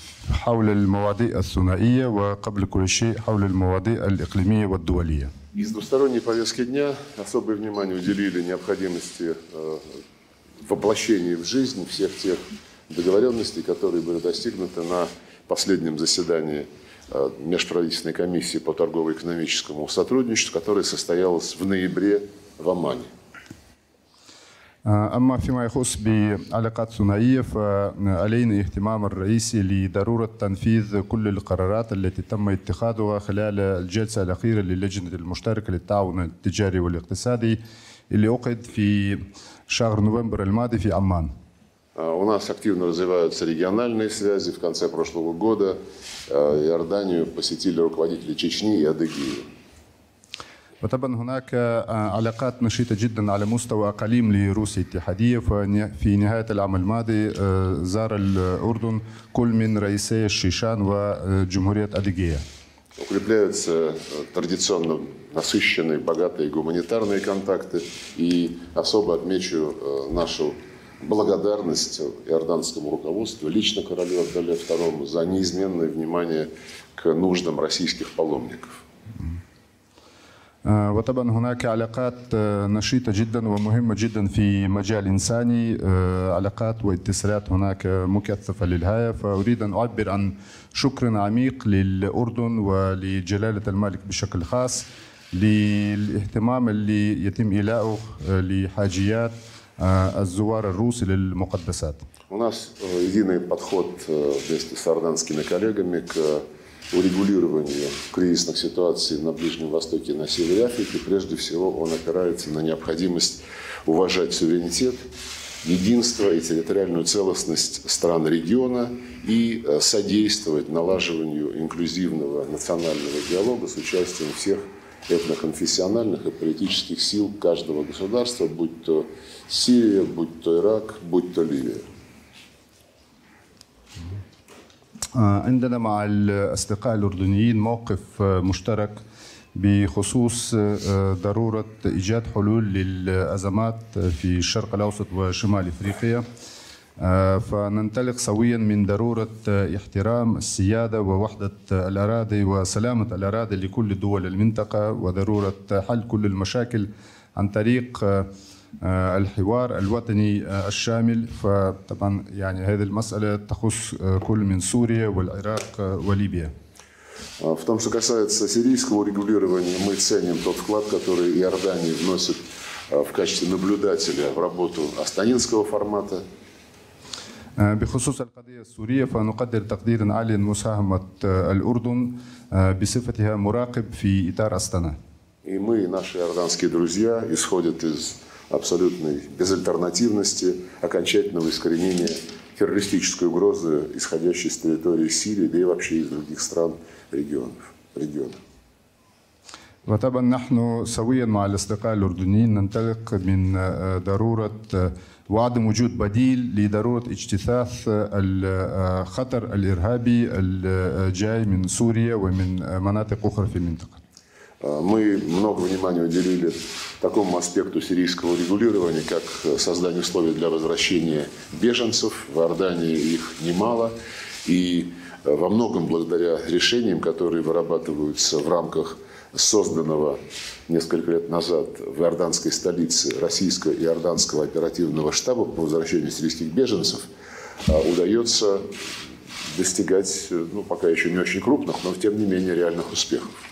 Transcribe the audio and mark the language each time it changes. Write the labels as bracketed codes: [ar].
[ar] حول المواضيع الثنائية وقبل كل شيء حول المواضيع الإقليمية والدولية. [ru] Из двусторонней повестки дня особое внимание уделили необходимости воплощения в жизнь всех тех договоренностей, которые были достигнуты на последнем заседании Межправительственной комиссии по торгово-экономическому сотрудничеству, которое состоялось в ноябре в Омане. [ar] أما فيما يخص بعلاقات ثنائية فعلينا اهتمام الرئيسي لضرورة تنفيذ كل القرارات التي تم اتخاذها خلال الجلسة الأخيرة للجنة المشتركة للتعاون التجاري والاقتصادي اللي عقد في شهر نوفمبر الماضي في عمان. [ru] У нас активно развиваются региональные связи. В конце прошлого года Иорданию посетили руководители Чечни и Адыгеи. [ar] وطبعا هناك علاقات نشيطة جدا على مستوى أقاليم لروسيا الاتحادية في نهاية العام الماضي زار الأردن كل من رئيسي الشيشان وجمهورية أديجية. [ru] Укрепляются традиционно насыщенные, богатые гуманитарные контакты, и особо отмечу нашу благодарность иорданскому руководству, лично королю Абдалле II, за неизменное внимание к нуждам российских паломников. [ar] وطبعا هناك علاقات نشيطة جدا ومهمة جدا في مجال إنساني علاقات واتصالات هناك مكثفة للغاية فأريد أن أعبر عن شكر عميق للأردن ولجلالة الملك بشكل خاص للاهتمام اللي يتم إلائه لحاجيات الزوار الروس للمقدسات. [ru] У нас единый подход вместе с иорданскими коллегами к урегулированию кризисных ситуаций на Ближнем Востоке и на Севере Африки. Прежде всего, он опирается на необходимость уважать суверенитет, единство и территориальную целостность стран региона и содействовать налаживанию инклюзивного национального диалога с участием всех этноконфессиональных и политических сил каждого государства, будь то Сирия, будь то Ирак, будь то Ливия. [ar] عندنا مع الأصدقاء الأردنيين موقف مشترك بخصوص ضرورة إيجاد حلول للأزمات في الشرق الأوسط وشمال أفريقيا فننطلق سويا من ضرورة احترام السيادة ووحدة الأراضي وسلامة الأراضي لكل دول المنطقة وضرورة حل كل المشاكل عن طريق الحوار الوطني الشامل فطبعا يعني هذه المسألة تخص كل من سوريا والعراق وليبيا. [ru] В том, что касается сирийского урегулирования, мы ценим тот вклад, который Иордания вносит в качестве наблюдателя в работу Астанинского формата. [ar] بخصوص القضية السورية فنقدر تقديرا عاليا مساهمة الأردن بصفتها مراقب في إطار أستانا. [ru] И мы, наши иорданские друзья, исходят из абсолютной безальтернативности, окончательного искоренения террористической угрозы, исходящей с территории Сирии, да и вообще из других стран региона. [ar] وطبعا نحن سويا مع الأصدقاء الأردنيين ننطلق من ضرورة وعدم وجود بديل لضرورة اجتثاث الخطر الإرهابي الجاي من سوريا ومن مناطق أخرى في المنطقة. [ru] Мы много внимания уделили такому аспекту сирийского регулирования, как создание условий для возвращения беженцев. В Иордании их немало. И во многом благодаря решениям, которые вырабатываются в рамках созданного несколько лет назад в иорданской столице российского и иорданского оперативного штаба по возвращению сирийских беженцев, удается достигать, ну, пока еще не очень крупных, но тем не менее реальных успехов.